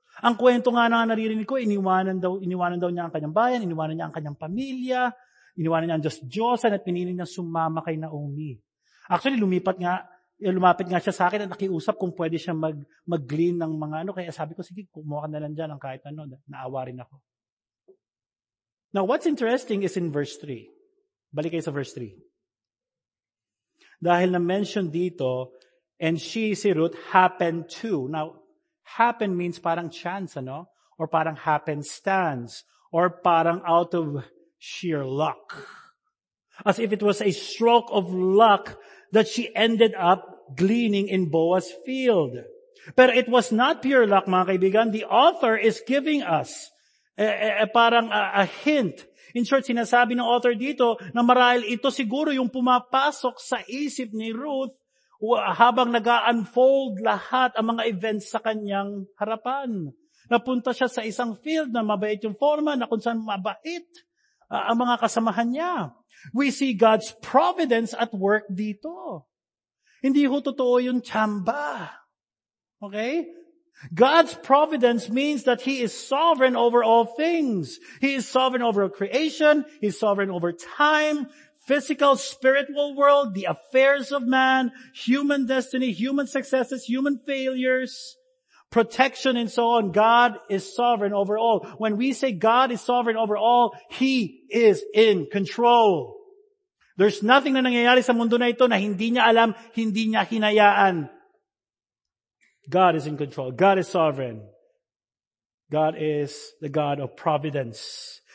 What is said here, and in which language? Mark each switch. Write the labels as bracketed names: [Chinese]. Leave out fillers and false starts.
[Filipino] Ang kwento nga na naririnig ko, iniwanan daw niya ang kanyang bayan, iniwanan niya ang kanyang pamilya, iniwanan niya ang Diyos, at pinili niya sumama kay Naomi. Actually, lumapit nga siya sa akin at nakiusap kung pwede siya mag-glean ng mga ano. Kaya sabi ko, sige, kumuha ka na lang dyan ang kahit ano, naawa rin ako. [English] Now, what's interesting is in verse 3. [Filipino] Balik kayo sa verse 3. Dahil na-mention dito, and she, si Ruth, [English] happened to. Now, happen means parang chance, ano? Or parang happenstance. Or parang out of sheer luck. As if it was a stroke of luck that she ended up gleaning in Boaz's field. Pero it was not pure luck, [Filipino] mga kaibigan. [English] The author is giving us a hint. [Filipino] In short, sinasabi ng author dito na marahil ito siguro yung pumapasok sa isip ni Ruth habang nag-unfold lahat ang mga events sa kanyang harapan. Napunta siya sa isang field na mabait yung forma, na kung saan mabait ang mga kasamahan niya. [English] We see God's providence at work [Filipino] dito. Hindi ho totoo yung tiyamba. Okay? [English] God's providence means that He is sovereign over all things. He is sovereign over creation. He is sovereign over time, physical, spiritual world, the affairs of man, human destiny, human successes, human failures, protection, and so on. God is sovereign over all. When we say God is sovereign over all, He is in control. There's nothing [Filipino] na nangyayari sa mundo na ito na hindi niya alam, hindi niya hinayaan. [English] God is in control. God is sovereign. God is the God of providence.